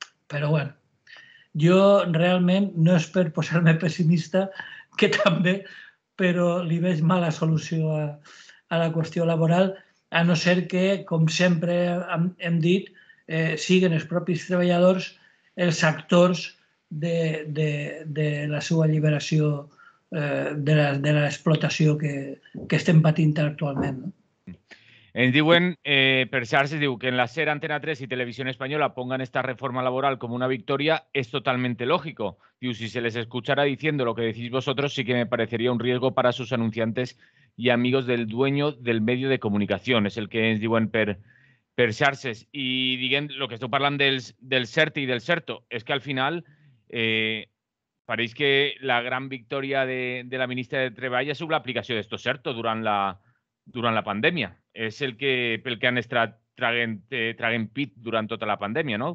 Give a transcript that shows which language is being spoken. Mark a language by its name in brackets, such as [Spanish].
[Catalan] Però bueno, jo realment no és per posar-me pessimista, que també, però li veig mala solució a la qüestió laboral, a no ser que, com sempre hem dit, siguin els propis treballadors els actors de la seva alliberació de l'explotació que estem patint actualment. No? Ens diuen, per xarxes, diu que en la SER, Antena 3 i Televisió Espanyola [Spanish] pongan esta reforma laboral [Catalan] com una victòria és [Spanish] totalmente lógico. Diu, si se les escuchara diciendo lo que decís vosotros, sí que me parecería un riesgo para sus anunciantes y amigos del dueño del medio de comunicación. [Catalan] És el que ens diuen per xarxes. I diguem, lo que esteu parlant del CERT i del CERTO, és que al final pareix que la gran victòria de la ministra de Treball ha sigut l'aplicació d'esto CERTO durant la pandèmia. És el que pel que han estat traguent pit durant tota la pandèmia, no?